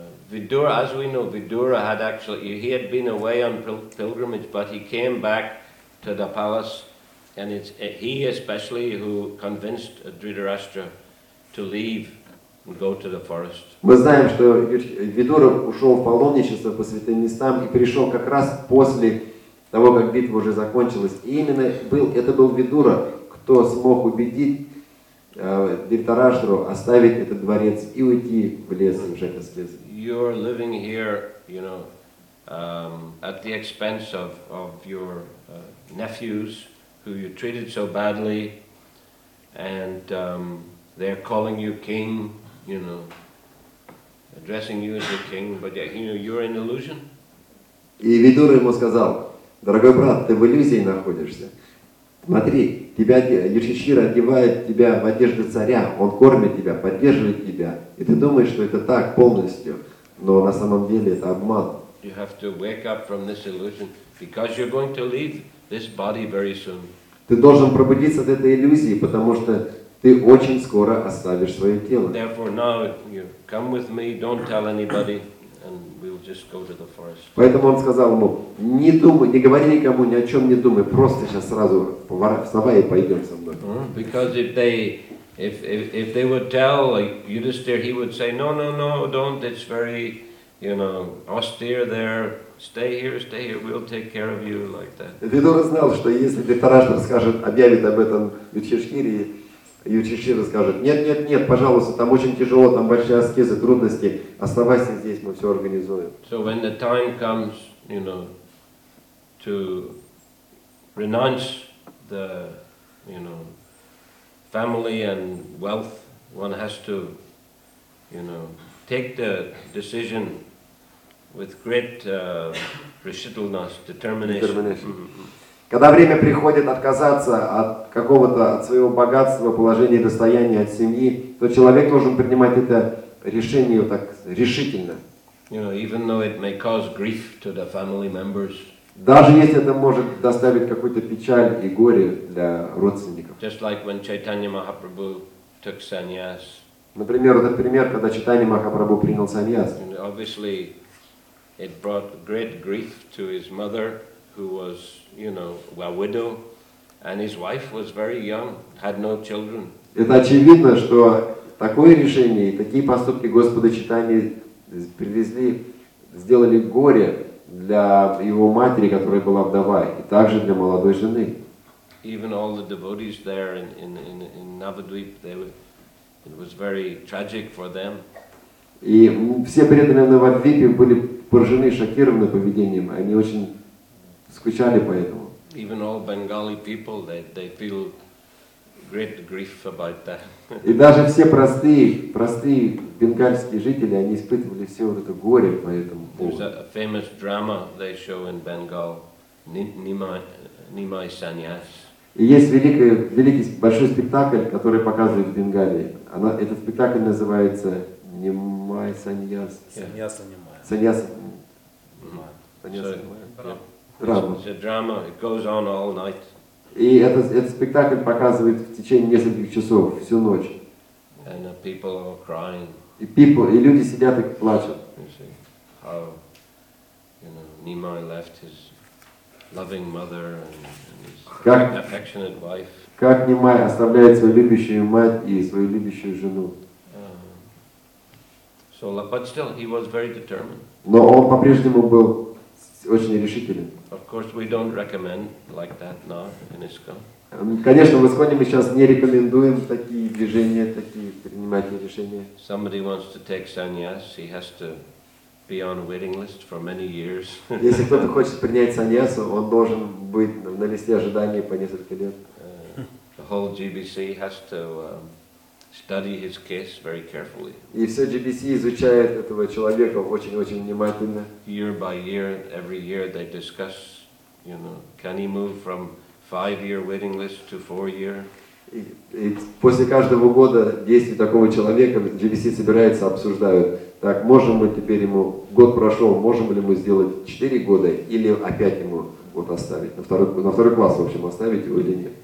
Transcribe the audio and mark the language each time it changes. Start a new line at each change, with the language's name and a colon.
English: Vidura, as we know, Vidura had actually, he had been away on pilgrimage, but he came back to the palace, and it's he especially who convinced Dhritarashtra to leave and go to the forest.
Russian: Мы знаем, что Видура ушел в паломничество по святым местам и пришел как раз после того, как битва уже закончилась. И именно это был Видура, кто смог убедить Дхритараштру оставить этот дворец и уйти в лес, в женский лес.
English: You're living here, you know, at the expense of your nephews, who you treated so badly, and they're calling you king, you know, addressing you as a king, but yeah, you know, you're in illusion.
Russian: И Видура ему сказал, дорогой брат, ты в иллюзии находишься. Смотри, тебя Юдхиштхира одевает тебя в одежды царя, он кормит тебя, поддерживает тебя, и ты думаешь, что это так полностью, но на самом деле это обман.
English: You have to wake up from this illusion, because you're going to leave this body very soon.
Russian: Ты должен пробудиться от этой иллюзии, потому что ты очень скоро оставишь свое тело.
English: Therefore now you come with me, don't tell anybody, and we'll just go to the forest.
Russian: Поэтому он сказал ему, не думай, не говори никому, ни о чем не думай, просто сейчас сразу вставай и пойдем со мной.
English: Because if they would tell like Yudhishthira, he would say, no, don't, it's very, you know, austere there, stay here, we'll take care of you, like that.
Russian: Видура знал, что если Дхритарашта скажет, объявит об этом Юдхиштхире, Юдхиштхира скажет, нет, пожалуйста, там очень тяжело, там большие аскезы, трудности, оставайся здесь, мы все организуем.
English: So when the time comes, you know, to renounce the, you know, family and wealth, one has to, you know, take the decision with great
Russian: решительность,
English: determination.
Russian: Когда время приходит отказаться от какого-то, от своего богатства, положения, достояния, от семьи, то человек должен принимать это решение так решительно.
English: You know, even though it may cause grief to the family members.
Russian: Даже если это может доставить какую-то печаль и горе для родственников.
English: Just like when Chaitanya Mahaprabhu took sannyas.
Russian: Например, этот пример, когда Чайтанья Махапрабху принял саньяс.
English: Obviously, it brought great grief to his mother, who was, you know, a widow, and his wife was very young, had no children.
Russian: Это очевидно, что такое решение, такие поступки Господа Чайтаньи привезли, сделали горе для его матери, которая была вдова, и также для молодой жены.
English: Even all the devotees there in Navadvip, it was very tragic for them.
Russian: И все преданные на Навадвипе были поражены, шокированы поведением. Они очень скучали по этому.
English: Even all Bengali people, they feel great grief about that.
Russian: И даже все простые бенгальские жители, они испытывали все вот это горе по этому поводу.
English: There's a famous drama they show in Bengal, Nimai Sanyas.
Russian: И есть великий большой спектакль, который показывают в Бенгалии. Этот спектакль называется Nimai Sanyas.
English: Sanyas
Russian: Рама.
English: It's a drama. It goes on all night.
Russian: И этот спектакль показывает в течение нескольких часов всю ночь.
English: And the people are crying.
Russian: И люди сидят и плачут.
English: You see how, you know, Nimai left his loving mother and his affectionate wife.
Russian: Как Nimai оставляет свою любящую мать и свою любящую жену.
English: But still, he was very determined.
Russian: Но он по-прежнему был очень решителен.
English: Of course, we don't recommend like that now in ISKCON.
Russian: Конечно, в ИСККОНе мы сейчас не рекомендуем такие движения, такие принимать решения.
English: Somebody wants to take sannyas, he has to be on a waiting list for many years.
Russian: Если кто-то хочет принять саньясу, он должен быть на листе ожидания по несколько лет.
English: The whole GBC has to study his case very carefully.
Russian: И все GBC изучает этого человека очень-очень внимательно.
English: Year by year, every year they discuss, you know, can he move from 5-year waiting list to 4-year?
Russian: И после каждого года действий такого человека GBC собирается, обсуждают. Так, можем мы теперь ему, год прошел, можем ли мы сделать 4 года или опять ему вот оставить, на второй класс, в общем, оставить его или нет?